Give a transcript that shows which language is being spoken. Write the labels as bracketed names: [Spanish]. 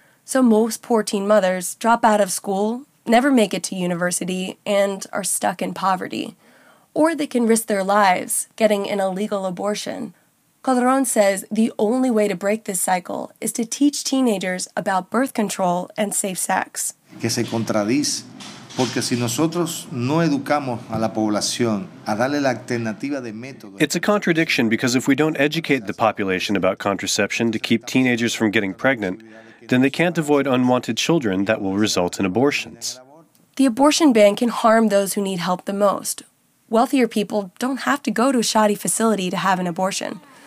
[English] So most poor teen mothers drop out of school, never make it to university, and are stuck in poverty. Or they can risk their lives getting an illegal abortion. Calderon says the only way to break this cycle is to teach teenagers about birth control and safe sex. [Spanish] Que se contradice, porque si nosotros no educamos a la población a darle la alternativa de método. [English] It's a contradiction because if we don't educate the population about contraception to keep teenagers from getting pregnant, then they can't avoid unwanted children that will result in abortions. The abortion ban can harm those who need help the most. Wealthier people don't have to go to a shoddy facility to have an abortion.